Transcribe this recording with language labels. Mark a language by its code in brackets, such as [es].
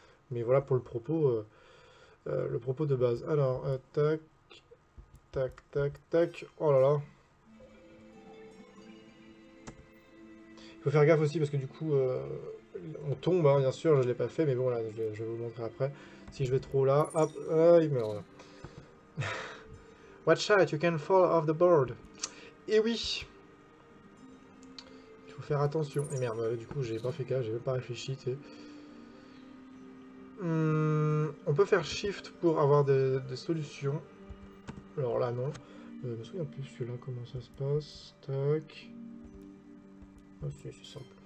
[fr] Mais voilà pour le propos. Le propos de base. Alors, tac, tac, tac, tac. Oh là là. Faut faire gaffe aussi parce que du coup, on tombe, hein, bien sûr, je ne l'ai pas fait, mais bon, là, je vais vous montrer après. Si je vais trop là, hop, il meurt là. [en] Watch out, you can fall off the board. [fr] Et oui. Il faut faire attention. Et merde, du coup, j'ai pas fait gaffe, j'ai même pas réfléchi, tu sais. On peut faire shift pour avoir des solutions. Alors là, non. Je me souviens plus celui-là, comment ça se passe. Tac. Oh, c'est simple.